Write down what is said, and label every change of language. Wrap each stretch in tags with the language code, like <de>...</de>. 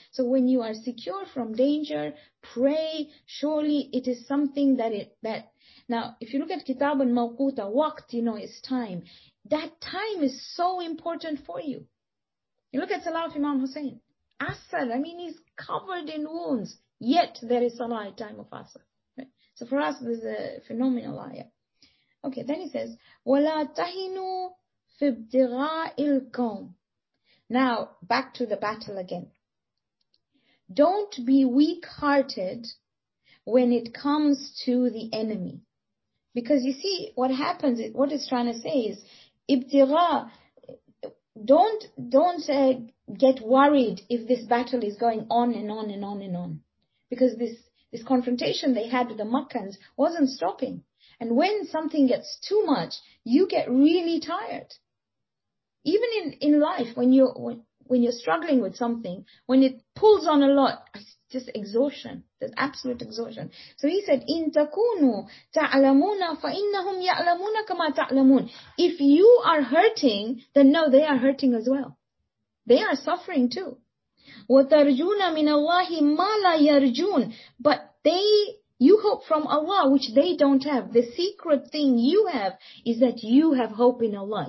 <en>So when you are secure from danger, pray. Surely it is something that. Now, if you look at</en> <ar>كِتَابًا مَوْقُوتًا,</ar> <en>waqt, you know, is time. That time is so important for you. You look at Salah of Imam Hussein. Asr, I mean, he's covered in wounds. Yet there is Salah at time of Asr. Right? So for us, this is a phenomenal ayah. Okay, then he says,</en> <ar>وَلَا تَهِنُوا فِي ابْتِغَاءِ الْقَوْمِ.</ar> <en>Now, back to the battle again. Don't be weak-hearted when it comes to the enemy. Because you see, what happens, what it's trying to say is, ابتغاء, don't get worried if this battle is going on and on and on and on. Because this confrontation they had with the Makkans wasn't stopping. And when something gets too much, you get really tired. Even in life, when you're struggling with something, when it pulls on a lot, just exhaustion. There's absolute exhaustion. So he said,</en> <ar>إِن تَكُونُوا تَعْلَمُونَ فَإِنَّهُمْ يَعْلَمُونَ كَمَا تَعْلَمُونَ.</ar> <en>If you are hurting, then no, they are hurting as well. They are suffering too.</en> <ar>وَتَرْجُونَ مِنَ اللَّهِ مَا لَا يَرْجُونَ.</ar> <en>But you hope from Allah, which they don't have. The secret thing you have is that you have hope in Allah.</en>